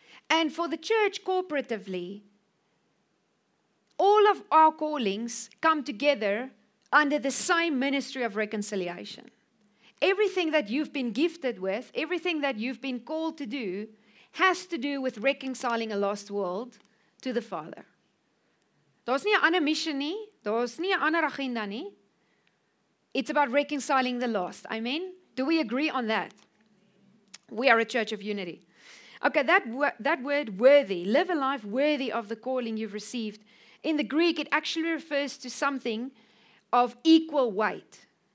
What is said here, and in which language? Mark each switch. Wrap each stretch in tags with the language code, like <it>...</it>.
<en>And for the church corporatively, all of our callings come together under the same ministry of reconciliation. Everything that you've been gifted with, everything that you've been called to do, has to do with reconciling a lost world to the Father.</en> <af>Daar's nie 'n ander missie nie, daar's nie 'n ander agenda nie.</af> <en>It's about reconciling the lost. Amen? Do we agree on that? We are a church of unity. Okay, that word worthy, live a life worthy of the calling you've received. In the Greek, it actually refers to something of equal weight.</en>